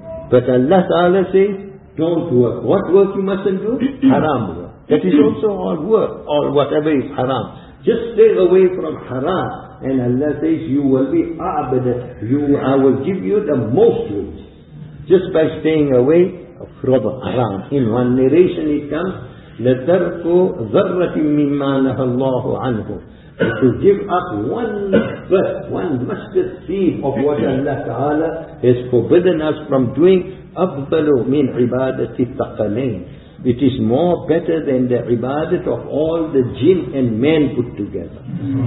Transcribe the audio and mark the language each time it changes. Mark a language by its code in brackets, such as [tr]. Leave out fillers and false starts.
[en] But Allah Ta'ala says, don't work. What work you mustn't do? Haram work. That is also all work, all whatever is haram. Just stay away from haram. And Allah says, you will be abada. I will give you the most riches. Just by staying away from haram. In one narration it comes, [ar] لَتَرْكُ ذَرَّةٍ مِّمَّا نَهَى اللَّهُ عَنْهُ. [en] To give up one mustard seed of what Allah Ta'ala has forbidden us from doing, [ar] أَفْضَلُ مِنْ عِبَادَةِ الثَّقَلَيْنِ. [en] It is more better than the ibadat of all the jinn and men put together. Mm-hmm.